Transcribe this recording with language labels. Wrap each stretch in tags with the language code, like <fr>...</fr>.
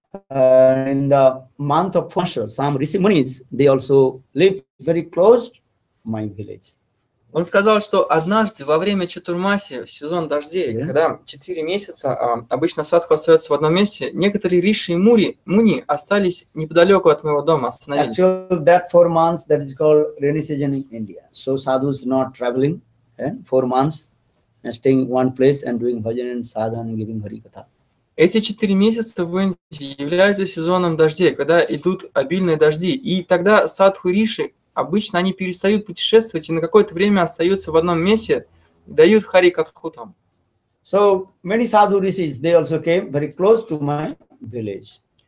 <en>In the month of Pusha, some Rishi Munis, they also lived very close to my village.</en> <ru>Он сказал, что однажды во время Чатурмаси, в сезон дождей, yeah. когда 4 месяца обычно садху остается в одном месте, некоторые риши и муни остались неподалеку от моего дома, остановились.</ru> <en>Actually, that 4 months that is called rainy season in India. So sadhu is not traveling, yeah? 4 months, and staying in one place and doing bhajan and sadhana, giving hari katha.</en> <ru>Эти 4 месяца в Индии являются сезоном дождей, когда идут обильные дожди, и тогда садху риши обычно они перестают путешествовать и на какое-то время остаются в одном месте, дают хари катху там.</ru> <en>So many sadhu rishis, they also came very close to my village.</en>